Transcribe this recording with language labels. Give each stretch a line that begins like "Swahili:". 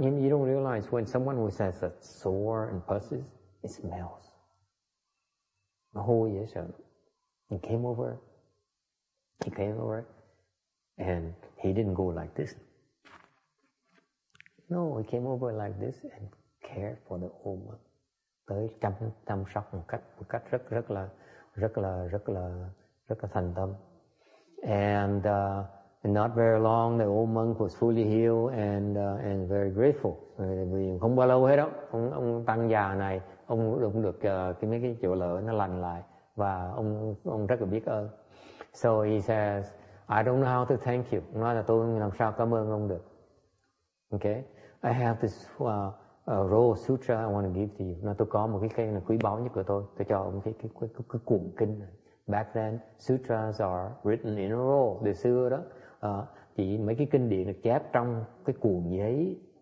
English: You don't realize when someone who says that sore and pusses, it smells.
Vietnamese: Nó hôi dễ sợ.
English: He came over and he didn't go like this. No, he came over like this and cared for the old one.
Vietnamese: Tới chăm sóc một cách rất rất là rất là rất là rất là thành tâm. And
English: And not very long, the old monk was fully healed and very grateful.
Vietnamese: Vì không bao lâu hết đó, ông tăng già này, ông cũng được cái chỗ lở nó lành lại. Và ông rất là biết ơn.
English: So he says, I don't know how to thank you.
Vietnamese: Ông nói là tôi làm sao cảm ơn ông được.
English: Okay, I have this raw sutra I want to give to you.
Vietnamese: Nó tôi có một cái kinh là quý báu nhất của tôi. Tôi cho ông cái cuộn kinh này.
English: Back then, sutras are written in a roll.
Vietnamese: Từ xưa đó, chỉ mấy cái kinh điển được chép trong cái cuộn giấy.